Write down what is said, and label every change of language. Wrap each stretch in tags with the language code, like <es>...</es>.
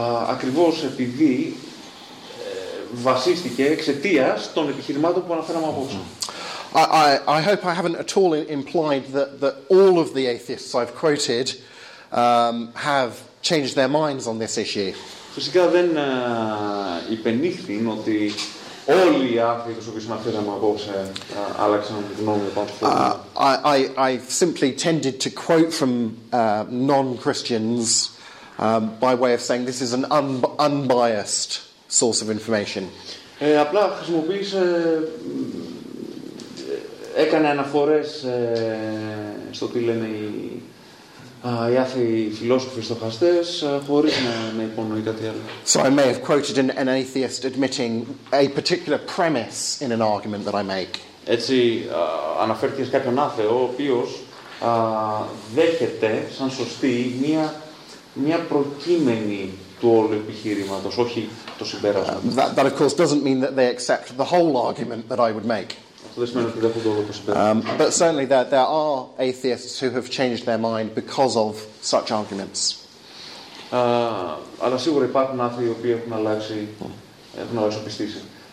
<el>Ακριβώς επειδή βασίστηκε εξαιτίας των επιχειρημάτων που αναφέραμε απόψε.</el> <en>I hope I haven't at all implied that all of the atheists I've quoted have changed their minds on this issue.</en> <el>Φυσικά δεν υπενήχθην ότι όλοι οι άθεοι τους οποίους αναφέραμε απόψε άλλαξαν γνώμη πάνω στο θέμα.</el> <en>I simply tended to quote from non-Christians by way of saying this is an unbiased source of information.</en> <el>Απλά χρησιμοποίησε, έκανε αναφορές στο τι λένε οι άθεοι φιλόσοφοι στοχαστές, χωρίς να υπονοεί κάτι άλλο.</el> <en>So I may have quoted an atheist admitting a particular premise in an argument that I make.</en> <el>Έτσι αναφέρθηκε σε κάποιον άθεο, ο οποίος δέχεται σαν σωστή μια προκείμενη του όλου επιχείρηματος, όχι το συμπέρασμα.</el> <en>That of course doesn't mean that they accept the whole argument that I would make.</en> <el>Αυτό δεν σημαίνει ότι δεν έχουν όλο το συμπέρασμα.</el> <en>But certainly there are atheists who have changed their mind because of such arguments.</en> <el>Αλλά σίγουρα υπάρχουν άθεοι οι οποίοι έχουν αλλάξει πιστήσεις.</el>